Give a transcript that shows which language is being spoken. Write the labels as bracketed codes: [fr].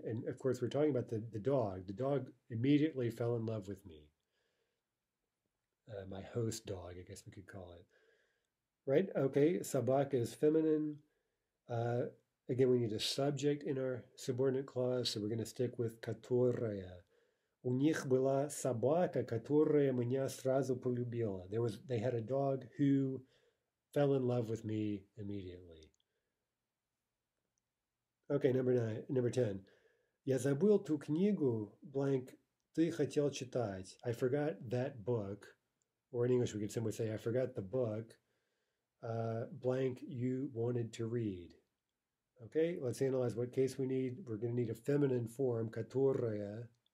[en] And of course, we're talking about the dog. The dog immediately fell in love with me. My host dog, I guess we could call it. Right, okay, собака is feminine. Again, we need a subject in our subordinate clause, so we're going to stick with которая. [ru] У них была собака, которая меня сразу полюбила. [en] They had a dog who fell in love with me immediately. Okay, number 10. [ru] Я забыл ту книгу, blank, ты хотел читать. [en] I forgot that book. Or in English, we could simply say, I forgot the book, blank, you wanted to read. Okay, let's analyze what case we need. We're going to need a feminine form, которая.